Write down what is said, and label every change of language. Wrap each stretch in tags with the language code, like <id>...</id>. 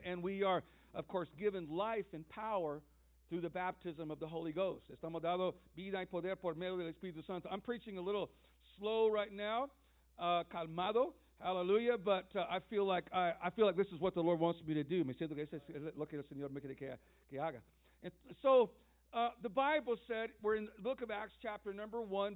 <en>And we are, of course, given life and power through the baptism of the Holy Ghost.</en> <es>Estamos dado vida y poder por medio del Espíritu Santo.</es> <en>I'm preaching a little slow right now. Calmado. Hallelujah. But I feel like this is what the Lord wants me to do.</en> <es>Me siento que es lo que el Señor me quiere que haga.</es> <en>So the Bible said, we're in the book of Acts chapter number 1.</en>